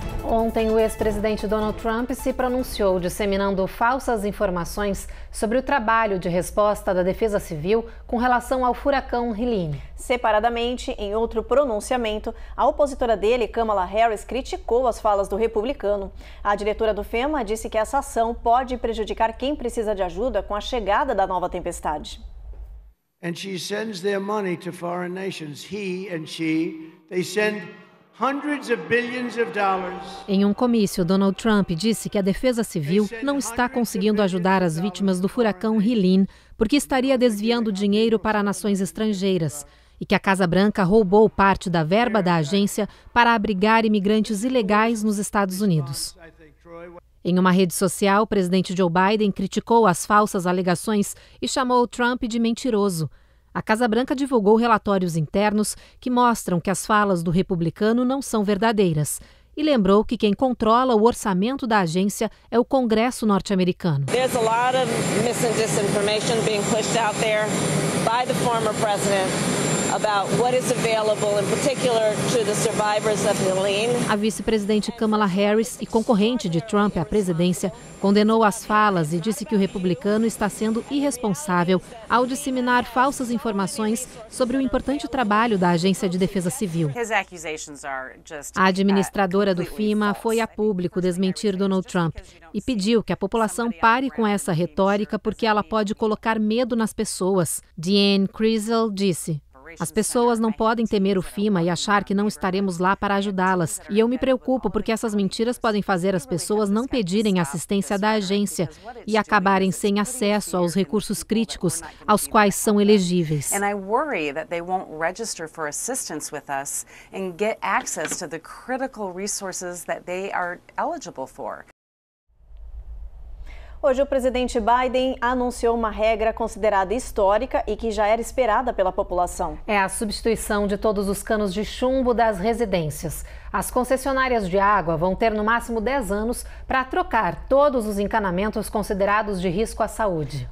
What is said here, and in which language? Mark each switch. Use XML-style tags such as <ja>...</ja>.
<pt>Ontem, o ex-presidente Donald Trump se pronunciou disseminando falsas informações sobre o trabalho de resposta da Defesa Civil com relação ao furacão Helene. Separadamente, em outro pronunciamento, a opositora dele, Kamala Harris, criticou as falas do republicano. A diretora do FEMA disse que essa ação pode prejudicar quem precisa de ajuda com a chegada da nova tempestade.</pt> <en>And she sends their money to foreign nations. He and she, they send Hundreds of billions of dollars.</en> <pt>Em um comício, Donald Trump disse que a Defesa Civil não está conseguindo ajudar as vítimas do furacão Helene porque estaria desviando dinheiro para nações estrangeiras e que a Casa Branca roubou parte da verba da agência para abrigar imigrantes ilegais nos Estados Unidos. Em uma rede social, o presidente Joe Biden criticou as falsas alegações e chamou Trump de mentiroso. A Casa Branca divulgou relatórios internos que mostram que as falas do republicano não são verdadeiras e lembrou que quem controla o orçamento da agência é o Congresso norte-americano.</pt> <en>There's a lot of mis- and disinformation being pushed out there by the former president about what is available in particular to the survivors of Helene.</en> <pt>A vice-presidente Kamala Harris e concorrente de Trump à presidência condenou as falas e disse que o republicano está sendo irresponsável ao disseminar falsas informações sobre o importante trabalho da Agência de Defesa Civil. A administradora do FEMA foi a público desmentir Donald Trump e pediu que a população pare com essa retórica porque ela pode colocar medo nas pessoas. Deanne Criesel disse: as pessoas não podem temer o FEMA e achar que não estaremos lá para ajudá-las. E eu me preocupo porque essas mentiras podem fazer as pessoas não pedirem assistência da agência e acabarem sem acesso aos recursos críticos aos quais são elegíveis.</pt> <en>And I worry that they won't register for assistance with us and get access to the critical resources that they are eligible for.</en> <pt>Hoje, o presidente Biden anunciou uma regra considerada histórica e que já era esperada pela população. É a substituição de todos os canos de chumbo das residências. As concessionárias de água vão ter no máximo 10 anos para trocar todos os encanamentos considerados de risco à saúde.</pt>